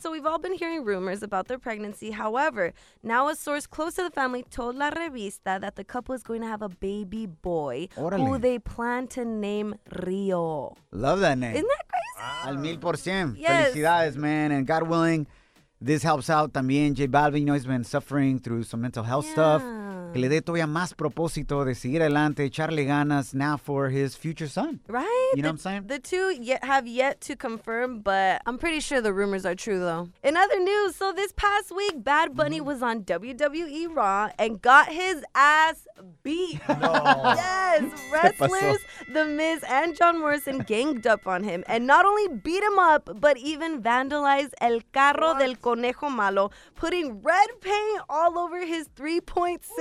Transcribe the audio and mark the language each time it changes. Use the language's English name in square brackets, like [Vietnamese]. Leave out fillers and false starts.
[English] So we've all been hearing rumors about their pregnancy. However, now a source close to the family told La Revista that the couple is going to have a baby boy who they plan to name Rio. Love that name. Isn't that crazy? Wow. Al 1000%. Yes. [Spanish] Felicidades, [English] man. And God willing, this helps out también. J Balvin, you know, he's been suffering through some mental health stuff. [Spanish] Que le dé todavía más propósito de seguir adelante, echarle ganas [English] now for his future son. Right? You know what I'm saying? The two have yet to confirm, but I'm pretty sure the rumors are true, though. In other news, so this past week, Bad Bunny was on WWE Raw and got his ass beat. No. Yes, wrestlers, The Miz, and John Morrison ganged up on him and not only beat him up, but even vandalized El Carro del Conejo Malo, putting red paint all over his 3.6.